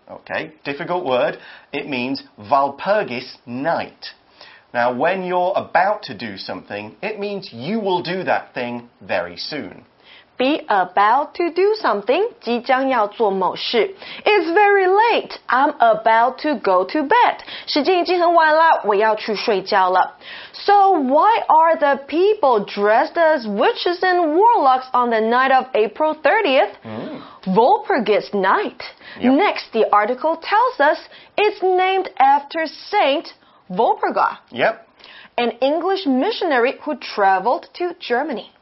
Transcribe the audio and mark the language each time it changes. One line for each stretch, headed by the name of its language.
English: Okay, difficult word. It means Walpurgis night. Now, when you're about to do something, it means you will do that thing very soon. Be about to do something,
Chinese: 即将要做某事。
English: It's very late, I'm about to go to bed.
Chinese: 时间已经很晚了，我要去睡觉了。
English: So why are the people dressed as witches and warlocks on the night of April 30th? Walpurgisnacht. Next, the article tells us it's named after Saint... Walpurga. Yep. An English missionary who traveled to Germany.